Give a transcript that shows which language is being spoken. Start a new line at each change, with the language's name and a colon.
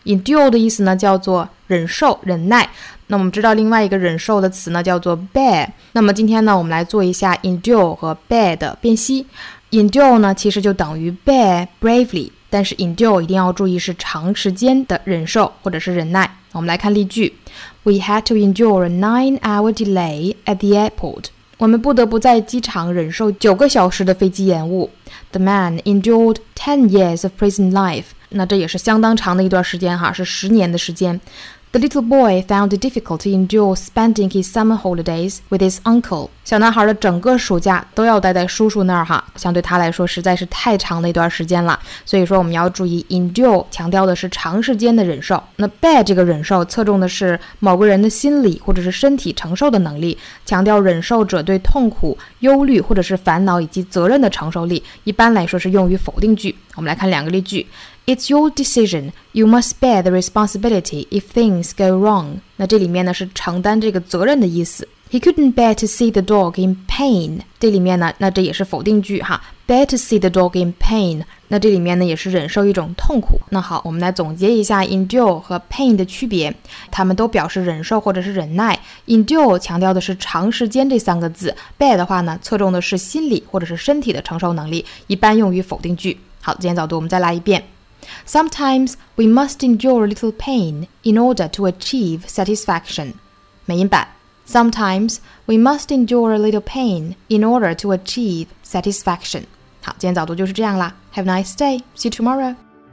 Chinese: endure 的意思呢叫做忍受、忍耐。那我们知道另外一个忍受的词呢叫做 bear。那么今天呢我们来做一下 endure 和 bear 的辨析。 endure 呢其实就等于 bear bravely， 但是 endure 一定要注意是长时间的忍受或者是忍耐。我们来看例句。
English: We had to endure a 9-hour delay at the airport。
Chinese: 我们不得不在机场忍受九个小时的飞机延误。
English: The man endured 10 years of prison life。
Chinese: 那这也是相当长的一段时间哈，是十年的时间。
English: The little boy found it difficult to endure spending his summer holidays with his uncle.
Chinese: 小男孩的整个暑假都要待在叔叔那儿哈，相对他来说实在是太长的一段时间了。所以说我们要注意 endure 强调的是长时间的忍受。那 bear 这个忍受侧重的是某个人的心理或者是身体承受的能力，强调忍受者对痛苦、忧虑或者是烦恼以及责任的承受力，一般来说是用于否定句。我们来看两个例句。
English: It's your decision. You must bear the responsibility if things go wrong.
Chinese: 那这里面呢是承担这个责任的意思。
English: He couldn't bear to see the dog in pain.
Chinese: 这里面呢，那这也是否定句哈。
English: Bear to see the dog in pain.
Chinese: 那这里面呢也是忍受一种痛苦。那好，我们来总结一下 endure 和 pain 的区别。它们都表示忍受或者是忍耐。Endure 强调的是长时间这三个字。 Bear 的话呢，侧重的是心理或者是身体的承受能力，一般用于否定句。好，今天早读我们再来一遍。
English: Sometimes we must endure a little pain in order to achieve satisfaction.
Chinese: 美音版。
English: Sometimes we must endure a little pain in order to achieve satisfaction.
Chinese: 好，今天早读就是这样啦。
English: Have a nice day. See you tomorrow.